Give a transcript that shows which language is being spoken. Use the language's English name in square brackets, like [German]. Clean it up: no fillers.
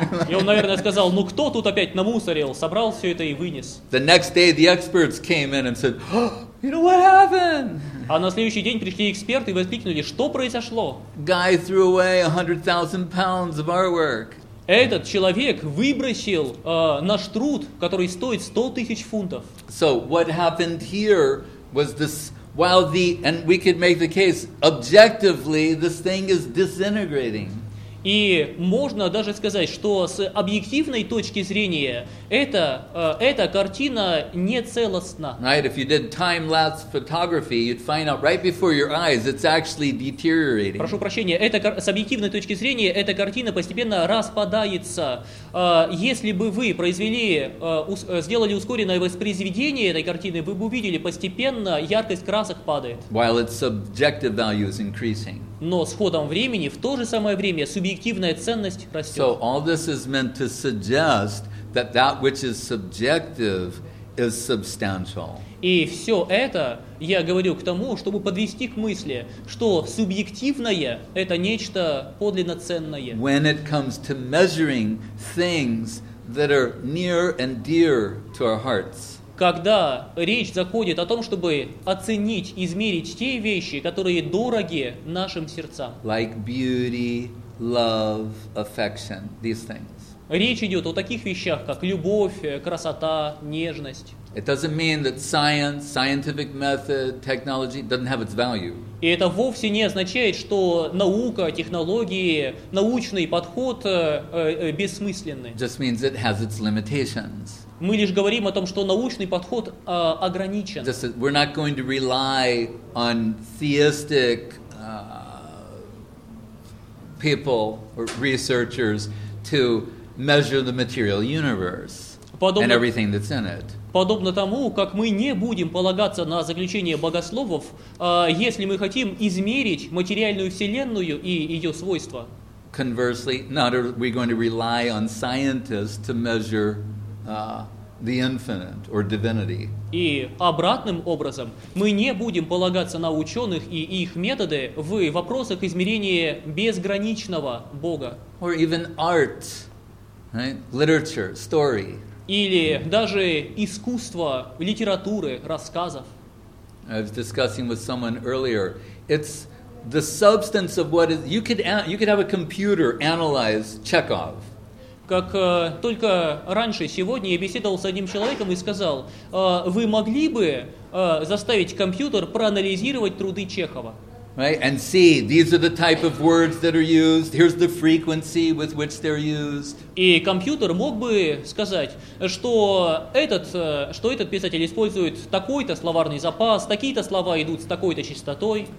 [Russian] И он, наверное, сказал, ну кто тут опять намусорил, собрал все это и вынес. [English] The next day the experts came in and said, oh, you know what happened? [Russian] А на следующий день пришли эксперты и воскликнули, что произошло? [English] Guy threw away 100,000 pounds of artwork. [Russian] Этот человек выбросил наш труд, который стоит 100 тысяч фунтов. [English] So what happened here was this, while the, and we could make the case, objectively, this thing is disintegrating. [Russian] И можно даже сказать, что с объективной точки зрения эта картина не целостна. [English] Right, if you did time-lapse photography, you'd find out right before your eyes it's actually deteriorating. [Russian] Прошу прощения, с объективной точки зрения эта картина постепенно распадается. Если бы вы сделали ускоренное воспроизведение этой картины, вы бы увидели, постепенно яркость красок падает. [English] While its subjective value is increasing. [Russian] Но с ходом времени, в то же самое время, субъективная ценность растет. [English] So all this is meant to suggest that that which is subjective is substantial. [Russian] И все это я говорю к тому, чтобы подвести к мысли, что субъективное – это нечто подлинно ценное. [English] When it comes to measuring things that are near and dear to our hearts. [Russian] Когда речь заходит о том, чтобы оценить, измерить те вещи, которые дороги нашим сердцам. [English] Like beauty, love, affection, these things. [Russian] Речь идет о таких вещах, как любовь, красота, нежность. [English] It doesn't mean that science, scientific method, technology doesn't have its value. [Russian] И это вовсе не означает, что наука, технологии, научный подход бессмысленны. [English] Just means it has its limitations. [Russian] Мы лишь говорим о том, что научный подход ограничен. [English] Just that we're not going to rely on theistic people or researchers to measure the material universe and everything that's in it. [Russian] Подобно тому, как мы не будем полагаться на заключение богословов, если мы хотим измерить материальную вселенную и ее свойства. [English] Conversely, not are we going to rely on scientists to measure the infinite or divinity. [Russian] И обратным образом, мы не будем полагаться на ученых и их методы в вопросах измерения безграничного Бога. [English] Or even art, right? Literature, story. [Russian] Или даже искусство, литературы, рассказов. [English] I was discussing with someone earlier. It's the substance of what is. You could have a computer analyze Chekhov. [Russian] Как только раньше, сегодня, я беседовал с одним человеком и сказал, вы могли бы заставить компьютер проанализировать труды Чехова. [English] Right, and see, these are the type of words that are used, here's the frequency with which they're used. [Russian] И компьютер мог бы сказать, что этот писатель использует такой-то словарный запас, такие-то слова идут с такой-то частотой.